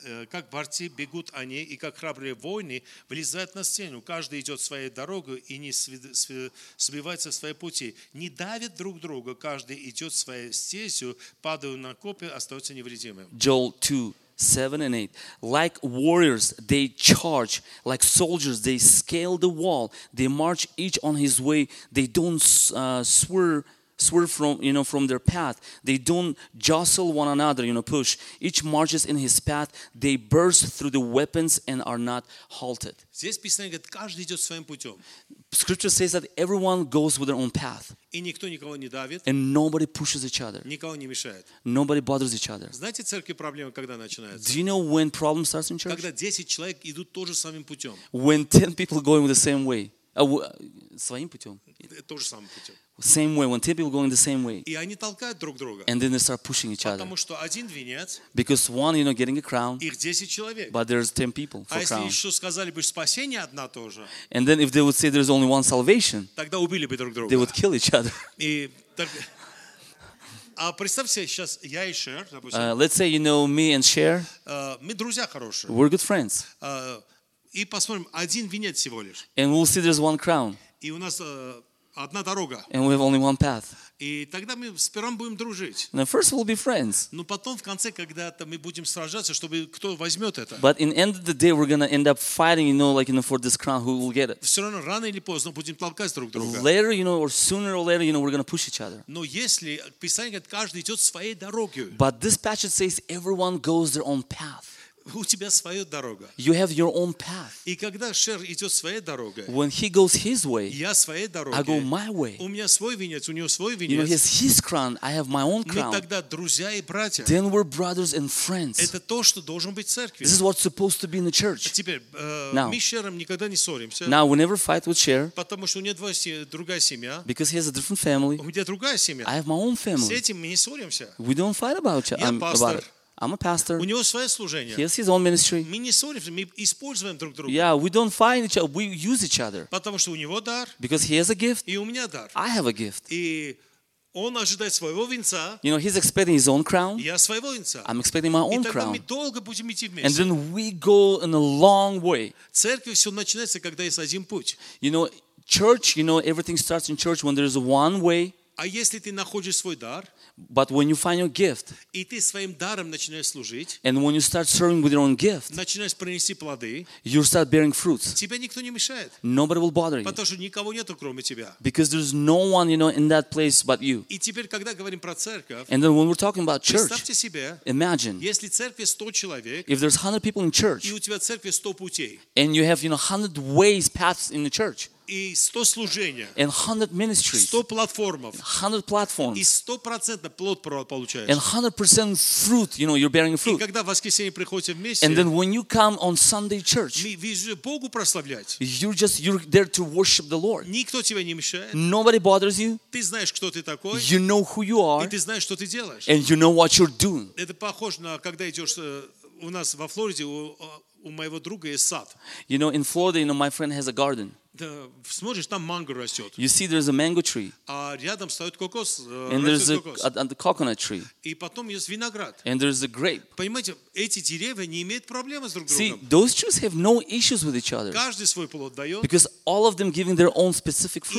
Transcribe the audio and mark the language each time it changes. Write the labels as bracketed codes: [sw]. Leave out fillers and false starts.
[ru] Как борцы бегут они, и как храбрые воины влезают на стену. Каждый идет своей дорогой и не сбивается в свои пути. Не давит друг друга, каждый идет своей стезью, падают на копья, остаются невредимым. [en] Joel 2, 7 and 8. Like warriors, they charge. Like soldiers, they scale the wall. They march each on his way. They don't swerve from, you know, from their path. They don't jostle one another, you know, push. Each marches in his path. They burst through the weapons and are not halted. [ru] Здесь Писание говорит, каждый идет своим путем. [en] Scripture says that everyone goes with their own path. [ru] И никто никого не давит. [en] And nobody pushes each other. [ru] Никого не мешает. [en] Nobody bothers each other. [ru] Знаете, церкви проблемы, когда начинаются? [en] Do you know when problem starts in church? [ru] Когда 10 человек идут тоже самим путем. [en] When 10 people going the same way. [ru] Своим путем. Тоже самым путем. [en] Same way, when 10 people go in the same way. [ru] И они толкают друг друга. [en] And then they start pushing each [ru] потому [en] other. [ru] Потому что один венец. [en] Because one, you know, getting a crown. [ru] Их 10 человек. [en] But there's 10 people for [ru] а [en] crown. [ru] А если еще сказали бы спасение одна тоже. [en] And then if they would say there's only one salvation. [ru] Тогда убили бы друг друга. [en] They would kill each other. [ru] И так... А представь себе сейчас я и Шер, допустим. [en] Let's say, you know, me and Шер. [ru] Мы друзья хорошие. [en] We're good friends. [ru] И посмотрим, один венец всего лишь. [en] And we'll see there's one crown. [ru] И у нас... одна дорога. [en] And we have only one path. [ru] И тогда мы сперва будем дружить. [en] Now first we'll be friends. [ru] Но потом в конце когда-то мы будем сражаться, чтобы кто возьмет это. [en] But in end of the day we're gonna end up fighting, you know, like you know, for this crown, who will get it? [ru] Все равно рано или поздно будем толкать друг друга. [en] Later, you know, or sooner or later, you know, we're gonna push each other. [ru] Но если Писание говорит, каждый идет своей дорогой. [en] But this passage says everyone goes their own path. [ru] У тебя своя дорога. [en] You have your own path. [ru] И когда Шер идет своей дорогой, [en] when he goes his way, [ru] я своей дорогой, [en] I go my way. [ru] У меня свой венец, у него свой венец. [en] You know, he has his crown, I have my own crown. [ru] Мы тогда друзья и братья. [en] Then we're brothers and friends. [ru] Это то, что должен быть в церкви. [en] This is what's supposed to be in the church. [ru] Теперь, мы с Шером никогда не ссоримся. [en] Now, we never fight with Шер. [ru] Потому что у него другая семья. [en] Because he has a different family. [ru] У меня другая семья. [en] I have my own family. [ru] С этим мы не ссоримся. [en] We don't fight about it. [ru] Я пастор. [en] I'm a pastor. [ru] У него свое служение. [en] He has his own ministry. [ru] Мы не ссоримся, мы используем друг друга. [en] Yeah, we don't find each other. We use each other. [ru] Потому что у него дар. [en] Because he has a gift. [ru] И у меня дар. [en] I have a gift. [ru] И он ожидает своего венца. [en] You know, he's expecting his own crown. [ru] Я своего венца. [en] I'm expecting my own crown. [ru] И тогда мы долго будем идти вместе. [en] And then we go in a long way. [ru] Церковь все начинается, когда есть один путь. [en] You know, church. You know, everything starts in church when there is one way. [ru] А если ты находишь свой дар? [en] But when you find your gift, [ru] и ты своим даром начинаешь служить, [en] and when you start serving with your own gift, [ru] начинаешь принести плоды, [en] you start bearing fruits. [ru] Тебе никто не мешает. [en] Nobody will bother you. [ru] Потому что никого нету кроме тебя. [en] Because there's no one, you know, in that place but you. [ru] И теперь, когда говорим про церковь, [en] and then when we're talking about church, [ru] представьте себе, [en] imagine, [ru] если церкви 100 человек, [en] if there's 100 people in church, [ru] и у тебя церкви 100 путей, [en] and you have, you know, 100 ways, paths in the church, [ru] и 100 служения, [en] and 100 ministries, [ru] 100 платформ, [en] 100 platforms, [ru] и 100% плод получаешь, [en] and 100% fruit, you know, you're bearing fruit. [ru] И когда в воскресенье приходите вместе, [en] and then when you come on Sunday church, [ru] Богу прославлять, [en] you're just you're there to worship the Lord. [ru] Никто тебе не мешает, [en] nobody bothers you. [ru] Ты знаешь, кто ты такой, [en] you know who you are, [ru] и ты знаешь, что ты делаешь, [en] and you know what you're doing. [ru] Это похоже на когда идешь у нас во Флориде у моего друга есть сад. [en] You know, in Florida, you know, my friend has a garden. [ru] Смотришь, там манго растет. [en] You see, there's a mango tree. [ru] А рядом стоит кокос. [en] And there's a coconut tree. [ru] И потом есть виноград. [en] And there's a grape. [ru] Понимаете, эти деревья не имеют проблемы с друг другом. [en] See, those trees have no issues with each other. [ru] Каждый свой плод дает. [en] Because all of them giving their own specific fruit.